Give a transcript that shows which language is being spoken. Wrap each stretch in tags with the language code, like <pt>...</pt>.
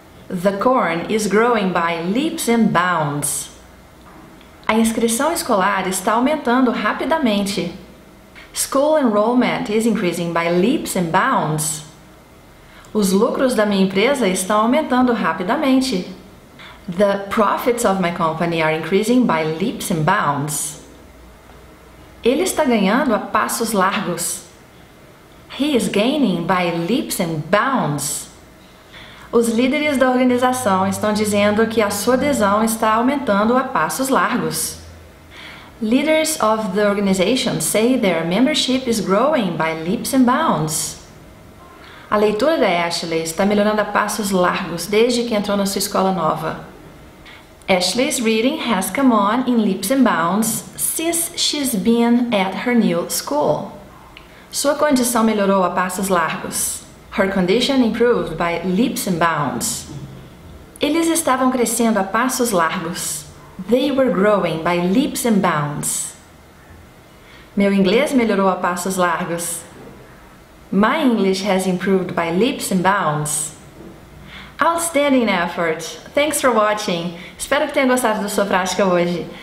<en>The corn is growing by leaps and bounds.</en> <pt>A inscrição escolar está aumentando rapidamente.</pt> <en>School enrollment is increasing by leaps and bounds.</en> <pt>Os lucros da minha empresa estão aumentando rapidamente.</pt> <en>The profits of my company are increasing by leaps and bounds.</en> <pt>Ele está ganhando a passos largos.</pt> <en>He is gaining by leaps and bounds.</en> <pt>Os líderes da organização estão dizendo que a sua adesão está aumentando a passos largos.</pt> <en>Leaders of the organization say their membership is growing by leaps and bounds.</en> <pt>A leitura da Ashley está melhorando a passos largos desde que entrou na sua escola nova.</pt> <en>Ashley's reading has come on in leaps and bounds since she's been at her new school.</en> <pt>Sua condição melhorou a passos largos.</pt> <en>Her condition improved by leaps and bounds.</en> <pt>Eles estavam crescendo a passos largos.</pt> <en>They were growing by leaps and bounds.</en> <pt>Meu inglês melhorou a passos largos.</pt> <en>My English has improved by leaps and bounds. Outstanding effort! Thanks for watching!</en> <pt>Espero que tenha gostado da sua prática hoje.</pt>